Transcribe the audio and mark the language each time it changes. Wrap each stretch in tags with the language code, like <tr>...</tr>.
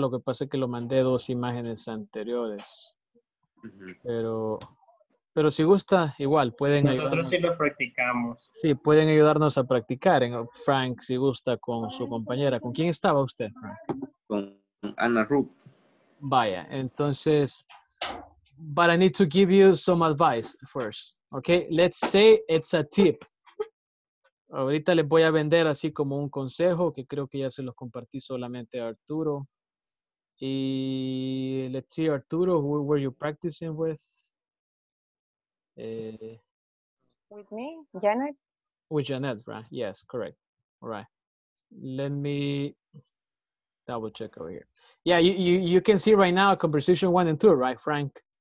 <es>Lo que pasa es que lo mandé dos imágenes anteriores. Pero si gusta, igual pueden ayudarnos. Nosotros sí lo practicamos. Sí, pueden ayudarnos a practicar, Frank, si gusta, con su compañera. ¿Con quién estaba usted, Frank? Con Ana Rupp. Vaya, entonces,</es> <en>but I need to give you some advice first. Okay, let's say it's a tip.</en> <es>Ahorita les voy a vender así como un consejo que creo que ya se los compartí solamente a Arturo.</es> <en>Y let's see, Arturo, who were you practicing with? With me, Janet. With Janet, right? Yes, correct. All right. Let me double check over here. Yeah, you can see right now conversation one and two, right, Frank?</en>